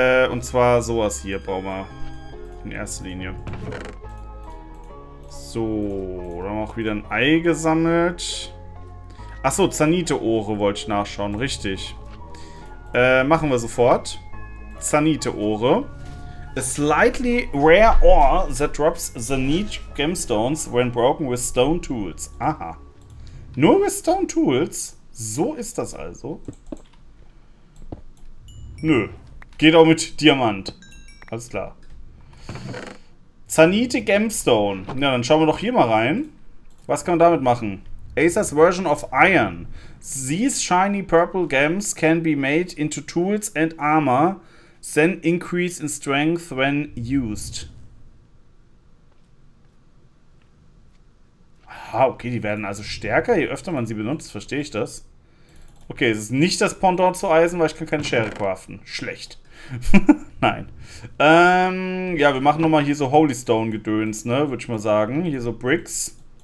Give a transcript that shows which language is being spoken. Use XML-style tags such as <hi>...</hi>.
<de>Und zwar sowas hier brauchen wir in erster Linie. So, dann haben wir auch wieder ein Ei gesammelt. Achso, Zanite-Ohre wollte ich nachschauen, richtig. Machen wir sofort. Zanite-Ohre.</de> <en>A slightly rare ore that drops zanite gemstones when broken with stone tools.</en> <de>Aha. Nur</de> <en>with stone tools?</en> <de>So ist das also. Nö. Geht auch mit Diamant. Alles klar. Zanite Gemstone. Ja, dann schauen wir doch hier mal rein. Was kann man damit machen?</de> <en>Acer's version of iron. These shiny purple gems can be made into tools and armor, then increase in strength when used.</en> <de>Aha, okay, die werden also stärker, je öfter man sie benutzt, verstehe ich das. Okay, es ist nicht das Pendant zu Eisen, weil ich kann keine Schere craften. Schlecht. Nein. Ja, wir machen nochmal hier so Holy Stone Gedöns, ne, würde ich mal sagen. Hier so Bricks.</de>